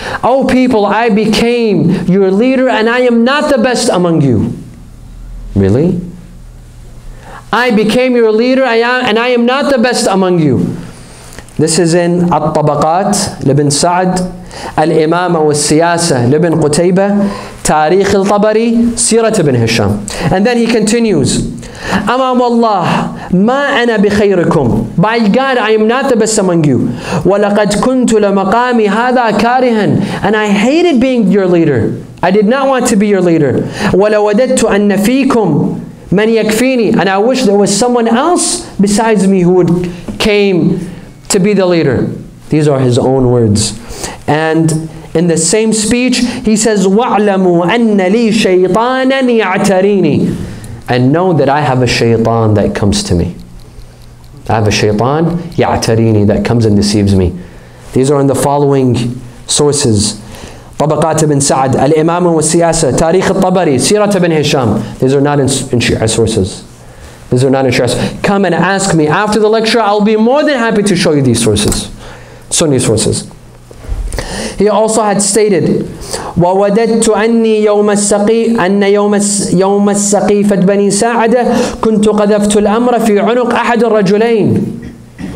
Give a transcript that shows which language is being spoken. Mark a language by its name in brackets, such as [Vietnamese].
[English] Oh people, I became your leader and I am not the best among you. Really? I became your leader and I am not the best among you. This is in [Arabic] الطبقات لابن سعد, الإمامة والسياسة لابن قتيبة, تاريخ الطبري, سيرة ابن هشام. [English] And then he continues, [Arabic] أمام الله ما أنا بخيركم. [English] By God, I am not the best among you. [Arabic] ولقد كنت لمقامي هذا كارها. [English] And I hated being your leader. I did not want to be your leader. [Arabic] ولوددت أن فيكم من يكفيني. [English] And I wish there was someone else besides me who would came to be the leader. These are his own words. And in the same speech, he says, [Arabic] وَعْلَمُوا أَنَّ لِي شَيْطَانًا يَعْتَرِينِي. [English] And know that I have a shaytan that comes to me. I have a shaytan, [Arabic] يَعْتَرِينِي, [English] that comes and deceives me. These are in the following sources. [Arabic] طبقات ابن سعد الإمام والسياسة تاريخ الطبري سيرة ابن هشام. [English] These are not in Shia sources. These are not in Shia sources. Come and ask me after the lecture. I'll be more than happy to show you these sources, Sunni sources. He also had stated, [Arabic] وَوَدَدْتُ عَنِّي يَوْمَ السَّقِيفَةِ أَنَّ يَوْمَ السَّقِيفَةِ بَنِي سَاعَدَةِ كُنْتُ قَذَفْتُ الْأَمْرَ فِي عُنُقِ أَحَدِ الرَّجُلَيْنِ.